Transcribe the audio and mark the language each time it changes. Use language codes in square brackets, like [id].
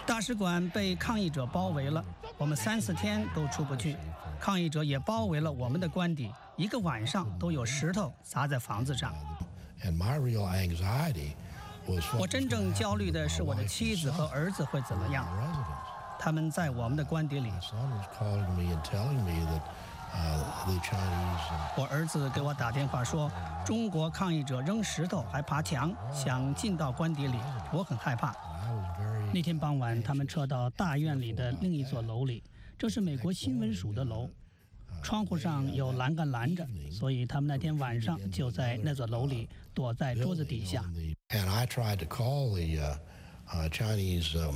[zh] 大使馆被抗议者包围了，我们三四天都出不去。抗议者也包围了我们的官邸，一个晚上都有石头砸在房子上。 [en] And my real anxiety was. [zh] 我真正焦虑的是我的妻子和儿子会怎么样。他们在我们的官邸里。 [en] My son was calling me and telling me that. The Chinese, [zh] 我儿子给我打电话说，中国抗议者扔石头还爬墙，想进到官邸里，我很害怕。那天傍晚，他们撤到大院里的另一座楼里，这是美国新闻署的楼，窗户上有栏杆拦着，所以他们那天晚上就在那座楼里躲在桌子底下。 [en] And I tried to call the Chinese.